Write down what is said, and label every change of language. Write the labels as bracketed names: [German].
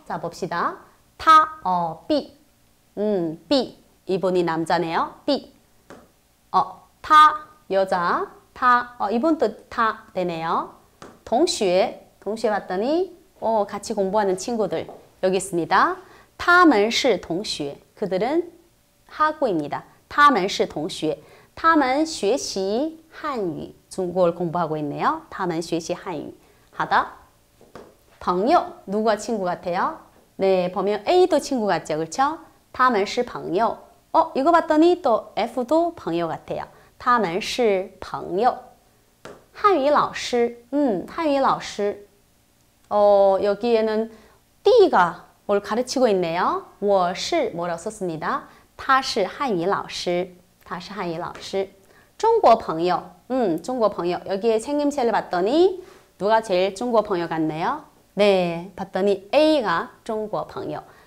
[Korean] 자, 봅시다. 타, 삐. 삐. 이분이 남자네요. 삐. 타, 여자. 타, 이분도 타 되네요. 동시에 왔더니, 같이 공부하는 친구들. 여기 있습니다. [Chinese] 他们是同学. [Korean] 그들은 하고입니다. [Chinese] 他们是同学.他们学习汉语. [Korean] 중국어를 공부하고 있네요. [Chinese] 他们学习汉语. [Korean] 하다. 朋友, 누가 친구 같아요? 네, 보면 A도 친구 같죠? 그렇죠? [Chinese] 他们是朋友. [Korean] 이거 봤더니 또 F도 朋友 같아요. [Chinese] 他们是朋友.汉语老师. [Korean] 여기에는 D가 뭘 가르치고 있네요. [Chinese] 我是 [Korean] 뭐라고 썼습니다. [Chinese] 他是汉语老师.他是汉语老师. 中国朋友. [Korean] 여기에 생김새를 봤더니 누가 제일 중국 朋友 같네요. 네, 봤더니 A가 중국 朋友.